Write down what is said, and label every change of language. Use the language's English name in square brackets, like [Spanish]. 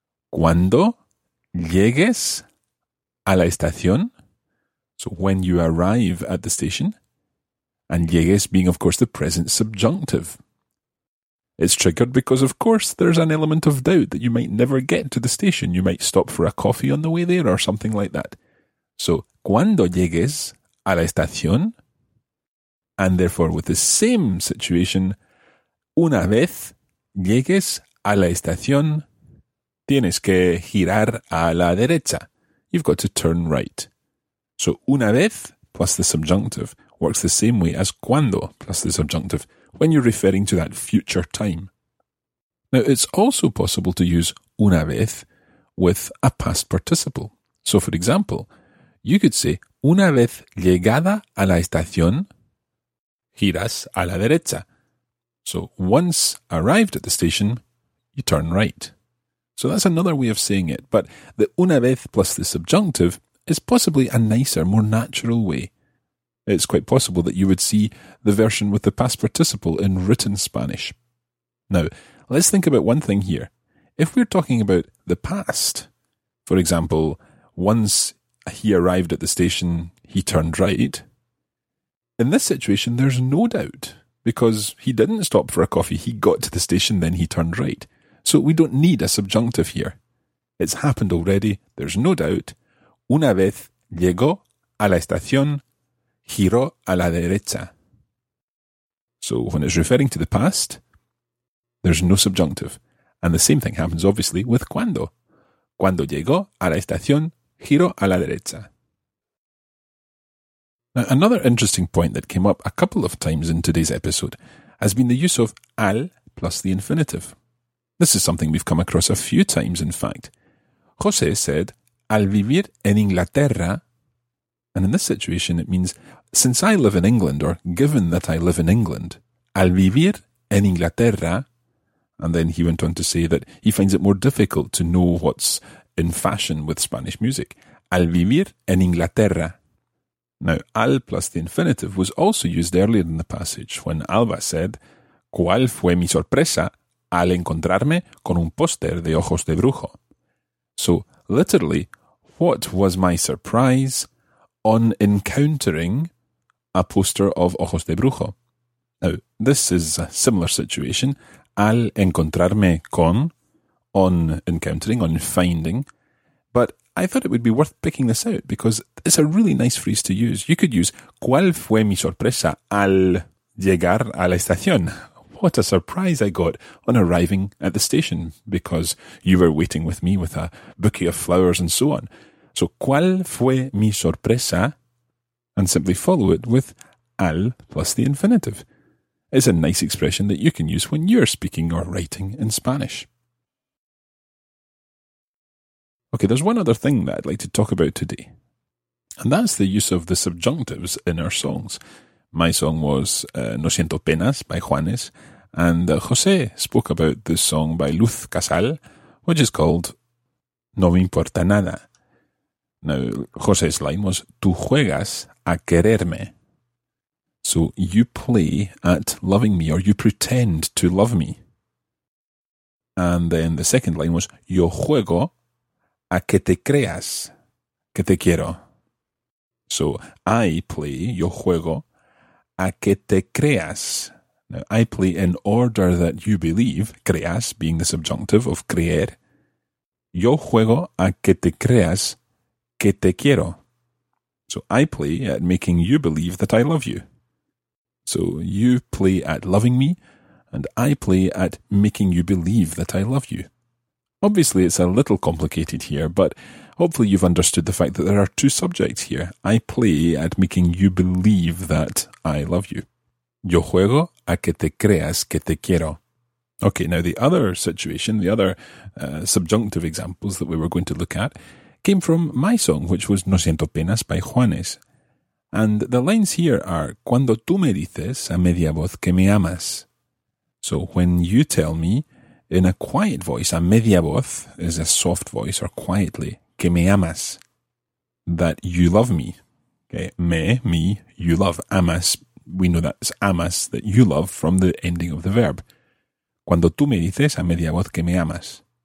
[Spanish] Cuando llegues a la estación, [English] so when you arrive at the station, and llegues being, of course, the present subjunctive. It's triggered because, of course, there's an element of doubt that you might never get to the station. You might stop for a coffee on the way there or something like that. [Spanish] So, cuando llegues a la estación, [English] and therefore with the same situation, [Spanish] una vez llegues a la estación, tienes que girar a la derecha. [English] You've got to turn right. So, una vez plus the subjunctive works the same way as cuando plus the subjunctive, when you're referring to that future time. Now, it's also possible to use una vez with a past participle. So, for example, you could say, [Spanish] una vez llegada a la estación, giras a la derecha. [English] So, once arrived at the station, you turn right. So, that's another way of saying it. But the una vez plus the subjunctive is possibly a nicer, more natural way. It's quite possible that you would see the version with the past participle in written Spanish. Now, let's think about one thing here. If we're talking about the past, for example, once he arrived at the station, he turned right. In this situation, there's no doubt because he didn't stop for a coffee. He got to the station, then he turned right. So we don't need a subjunctive here. It's happened already. There's no doubt. [Spanish] Una vez llegó a la estación, giro a la derecha. [English] So when it's referring to the past, there's no subjunctive. And the same thing happens, obviously, with cuando. [Spanish] Cuando llegó a la estación, giro a la derecha. [English] Now, another interesting point that came up a couple of times in today's episode has been the use of al plus the infinitive. This is something we've come across a few times, in fact. José said, [Spanish] al vivir en Inglaterra, [English] and in this situation it means, since I live in England, or given that I live in England, al vivir en Inglaterra, and then he went on to say that he finds it more difficult to know what's in fashion with Spanish music. [Spanish] Al vivir en Inglaterra. [English] Now, al plus the infinitive was also used earlier in the passage when Alba said, [Spanish] ¿cuál fue mi sorpresa al encontrarme con un póster de ojos de brujo? [English] So, literally, what was my surprise on encountering a poster of Ojos de Brujo? Now, this is a similar situation. [Spanish] Al encontrarme con, [English] on encountering, on finding. But I thought it would be worth picking this out because it's a really nice phrase to use. You could use, [Spanish] ¿cuál fue mi sorpresa al llegar a la estación? [English] What a surprise I got on arriving at the station because you were waiting with me with a bouquet of flowers and so on. So, [Spanish] ¿cuál fue mi sorpresa? [English] And simply follow it with al plus the infinitive. It's a nice expression that you can use when you're speaking or writing in Spanish. Okay, there's one other thing that I'd like to talk about today. And that's the use of the subjunctives in our songs. My song was No Siento Penas by Juanes. And José spoke about this song by Luz Casal, which is called No Me Importa Nada. Now, José's line was, [Spanish] tú juegas a quererme. [English] So, you play at loving me, or you pretend to love me. And then the second line was, [Spanish] yo juego a que te creas que te quiero. [English] So, I play, [Spanish] yo juego a que te creas [English] Now, I play in order that you believe, creas being the subjunctive of creer. [Spanish] Yo juego a que te creas que te quiero. [English] So I play at making you believe that I love you. So you play at loving me, and I play at making you believe that I love you. Obviously, it's a little complicated here, but hopefully you've understood the fact that there are two subjects here. I play at making you believe that I love you. [Spanish] Yo juego a que te creas que te quiero. [English] Okay, now the other situation, the other subjunctive examples that we were going to look at came from my song, which was No Siento Penas by Juanes. And the lines here are, [Spanish] cuando tú me dices a media voz que me amas. [English] So when you tell me in a quiet voice, [Spanish] a media voz [English] is a soft voice or quietly, [Spanish] que me amas, [English] that you love me. Okay, me, you love, amas, we know that's amas, that you love from the ending of the verb. [Spanish] Cuando tú me dices a media voz que me amas.